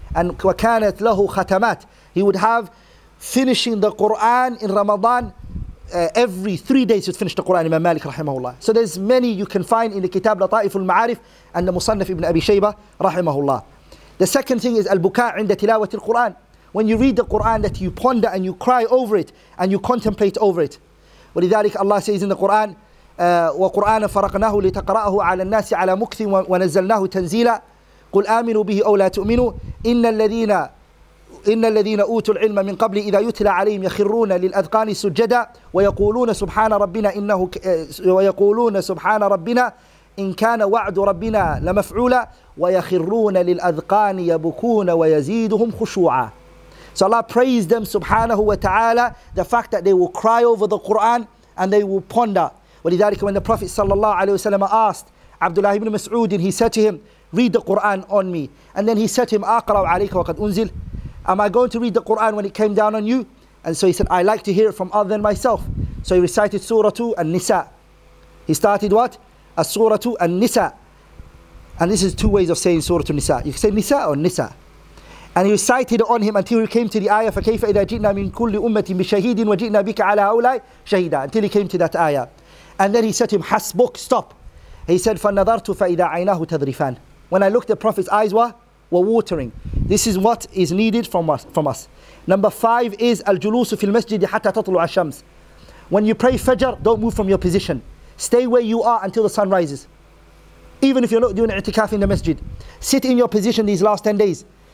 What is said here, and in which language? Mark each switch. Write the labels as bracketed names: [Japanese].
[English] And [Arabic] وَكَانَتْ لَهُ [English] khatamat, he would have finishing the Qur'an in Ramadan, every 3 days you'd finish the Qur'an, Imam Malik rahimahullah. So there's many you can find in the Kitab Lata'if al-Ma'arif and the Musannif ibn Abi Shayba rahimahullah. The second thing is [Arabic] al-buka' inda tilawat al-Qur'an. [English] When you read the Qur'an, that you ponder and you cry over it and you contemplate over it. [Arabic] وَلِذَلِكَ [English] Allah says in the Qur'an, [Arabic] وَقُرْآنَ فَرَقْنَاهُ لِتَقْرَأَهُ عَلَى النَّاسِ عَلَى مُكْثٍ وَنَزَّلْنَاهُ تَنْزِيلًا قُلْ آمِنُوا بِهِ أَوْ لَا تُؤْمِنُوا إن الذين أوتوا العلم من قبل إذا يتلى عليهم يخرون للأذقان سجدا ويقولون سبحان ربنا إنه ويقولون سبحان ربنا إن كان وعد ربنا لمفعولا ويخرون للأذقان يبكون ويزيدهم خشوعا. [English] So Allah praised them subhanahu wa ta'ala, the fact that they will cry over the Quran and they will ponder. ولذلك when the Prophet sallallahu alayhi wa sallam asked Abdullah ibn Mas'ud, he said to him, read the Quran on me. And then he said to him, [Arabic] أقرأ عليك وقد أنزل. [English] Am I going to read the Qur'an when it came down on you? And so he said, I like to hear it from other than myself. So he recited Surah An-Nisa. He started what? As-Surah An-Nisa. And this is two ways of saying Surah An-Nisa. You can say Nisa or Nisa. And he recited on him until he came to the ayah, [Arabic] فَكَيْفَ إِذَا جِئْنَا مِنْ كُلِّ أُمَّةٍ بِشَهِيدٍ وَجِئْنَا بِكَ عَلَىٰ أَوْلَىٰ شَهِيدًا. [English] Until he came to that ayah. And then he said to him, hasbuk, stop. He said, [Arabic] فَنَّذَرْتُ فَإِذَا عَيْنَاهُ تَذْرِفَانَ. [English] When I looked, the Prophet's eyes were watering. This is what is needed from us. Number five is [Arabic] al-julusu fil masjid hatta tatlu ash-shams. [English] When you pray fajr, don't move from your position. Stay where you are until the sun rises. Even if you're not doing itikaf in the masjid, sit in your position these last 10 days.